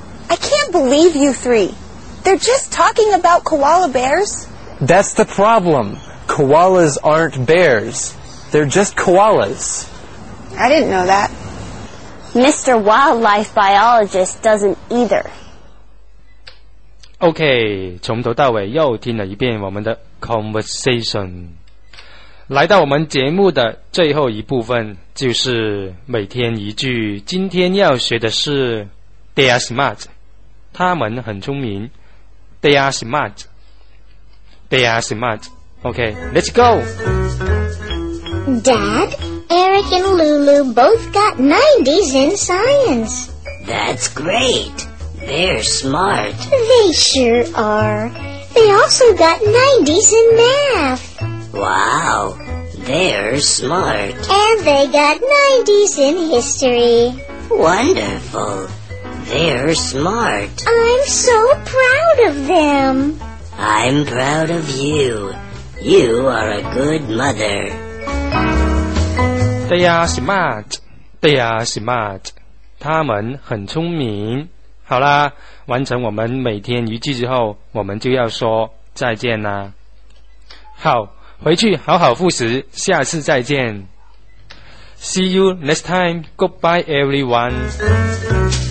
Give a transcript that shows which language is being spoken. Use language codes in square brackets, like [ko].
[en] I can't believe you three. They're just talking about koala bears. That's the problem. Koalas aren't bears. They're just koalas. I didn't know that. Mr. Wildlife Biologist doesn't either. [zh] OK, 从头到尾又听了一遍我们的 conversation。来到我们节目的最后一部分，就是每天一句。今天要学的是 [en] They are smart， [zh] 他们很聪明。 They are smart， They are smart。 [en] OK, let's go. Dad, Eric and Lulu both got 90s in science. That's great. They're smart. They sure are. They also got 90s in math. Wow, they're smart. And they got 90s in history. Wonderful. They're smart. I'm so proud of them. I'm proud of you. You are a good mother. They are smart. They are smart. [zh] 他们很聪明。好啦，完成我们每天一句之后，我们就要说再见啦。好，回去好好复习，下次再见。 [en] See you next time. Goodbye, everyone.